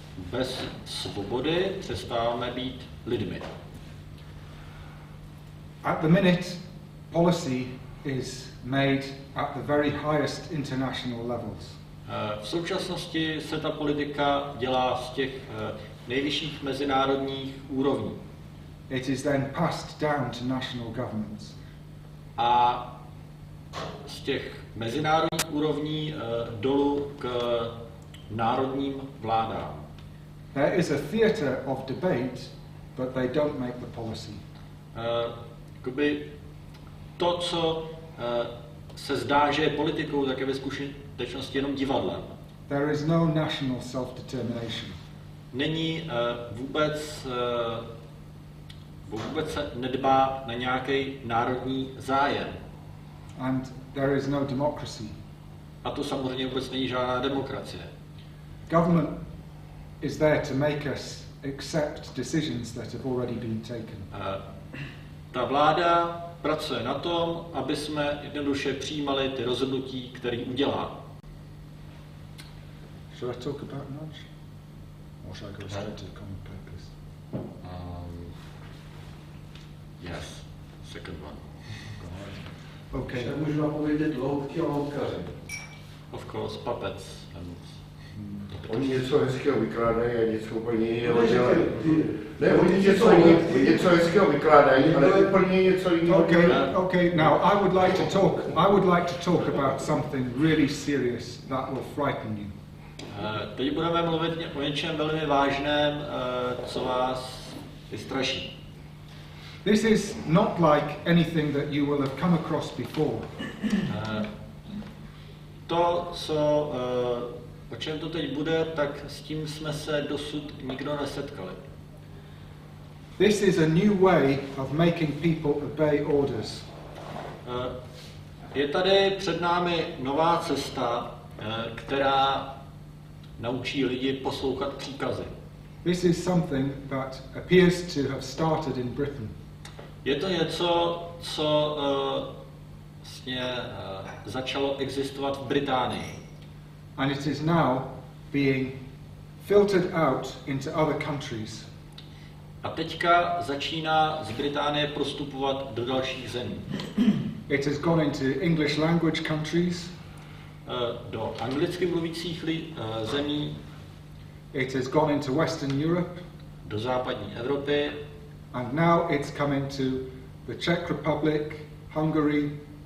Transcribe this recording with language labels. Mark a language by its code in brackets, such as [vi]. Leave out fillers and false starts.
[cs] Bez svobody přestáváme být lidmi. [en] At the minute, policy is made at the very highest international levels. [cs] V současnosti se ta politika dělá z těch nejvyšších mezinárodních úrovní. [en] It is then passed down to national governments. [cs] A z těch mezinárodních úrovní dolů k národním vládám. [en] There is a theater of debate, but they don't make the policy. [cs] Jakoby to, co se zdá, že je politikou, tak je ve skutečnosti jenom divadlem. [en] There is no national self-determination. [cs] Není vůbec vůbec se nedbá na nějaký národní zájem. [en] And there is no democracy. [cs] A to samozřejmě vůbec není žádná demokracie. [en] Government is there to make us accept decisions that have already been taken. [cs] Ta vláda pracuje na tom, aby jsme jednoduše přijímali ty rozhodnutí, které udělá. [en] Should I talk about much? Or should I go straight to the common purpose? Yes, second one. Okay. [cs] Já můžu vám povědět loutky a loutkaři. [en] Of course, puppets. [cs] Oni něco hezkého vykládají a něco úplně jiného dělají. Ne, oni něco hezkého vykládají, ale úplně něco jiného. [en] Okay, now I would like to talk about something really serious that will frighten you. [cs] Teď budeme mluvit o něčem velmi vážném, co vás vystraší. [en] This is not like anything that you will have come across before. [cs] To, co, o čem to teď bude, tak s tím jsme se dosud nikdo nesetkali. [en] This is a new way of making people obey orders. [cs] Je tady před námi nová cesta, která naučí lidi poslouchat příkazy. [en] This is something that appears to have started in Britain. [cs] Je to něco, co vlastně začalo existovat v Británii. [en] And it is now being filtered out into other countries. [cs] A teďka začíná z Británie prostupovat do dalších zemí. [en] It has gone into English language countries. [cs] Do anglicky mluvících zemí. [en] It has gone into Western Europe. [cs] Do západní Evropy. [en] And now it's come into the Czech Republic, Hungary,